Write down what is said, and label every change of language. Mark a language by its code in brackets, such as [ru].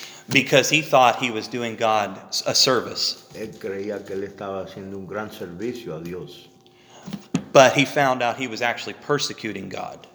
[en] Because he thought he was doing God a service. [es] Él creía que él estaba haciendo un gran servicio a Dios. [en] But he found out he was actually persecuting God.